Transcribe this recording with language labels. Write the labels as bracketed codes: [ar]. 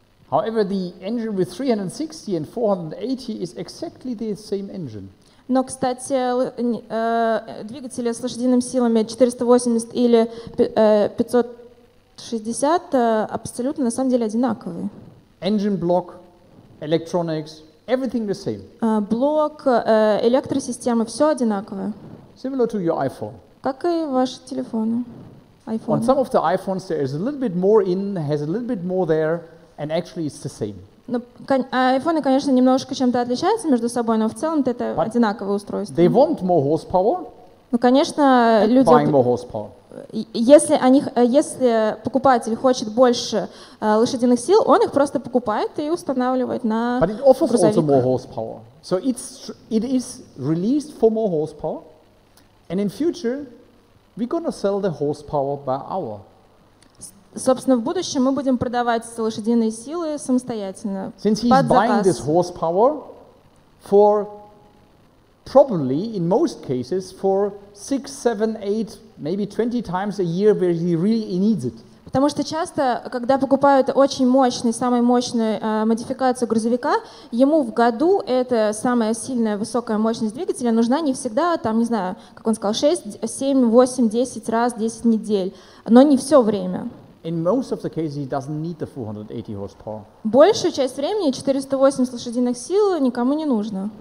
[en] However, the engine with 360 and 480 is exactly the same engine. [ru] Но, кстати, двигатели с лошадиными силами 480 или 560 абсолютно на самом деле одинаковые. [en] Engine block, electronics, everything the same. [ru] Блок, электросистемы, все одинаковое. [en] Similar to your iPhone. [ru] Как и ваши телефоны. iPhone. [en] On some of the iPhones there is a little bit more in, has a little bit more there, and actually it's the same. [ru] Но айфоны, конечно, немножко чем-то отличаются между собой, но в целом это одинаковое устройство. [en] They want more horsepower. [ru] Ну, конечно, люди. [en] Buying more horsepower. [ru] Если покупатель хочет больше лошадиных сил, он их просто покупает и устанавливает на [en] грузовик. But it offers also more horsepower. So it is released for more horsepower, and in future we're gonna sell the horsepower by hour. [ru] Собственно, в будущем мы будем продавать лошадиные силы самостоятельно. [en] Since he's под buying this horsepower for probably in most cases for 6, 7, 8, maybe 20 times a year where he really needs it. [ru] Потому что часто, когда покупают очень мощный, самую мощную модификацию грузовика, ему в году эта самая сильная, высокая мощность двигателя нужна не всегда, там, не знаю, как он сказал, 6, 7, 8, 10 раз, 10 недель, но не все время. [en] In most of the cases, he doesn't need the 480 horsepower. [ru] Большую часть времени 480 лошадиных сил никому не нужно.